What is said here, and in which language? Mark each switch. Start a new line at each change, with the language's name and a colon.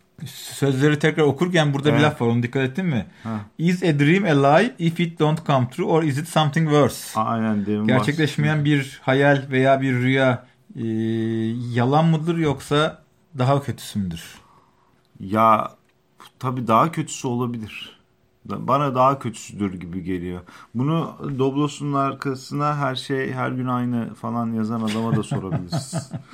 Turkish: sözleri tekrar okurken burada bir laf var, onu dikkat ettin mi? Ha.
English: Is a dream a lie if it don't come true or is it something worse?
Turkish: Aynen, gerçekleşmeyen bir hayal veya bir rüya yalan mıdır yoksa daha kötüsü müdür? Ya tabii daha kötüsü olabilir. Bana daha kötüsüdür gibi geliyor. Bunu Doblos'un arkasına her şey her gün aynı falan yazan adama da sorabiliriz.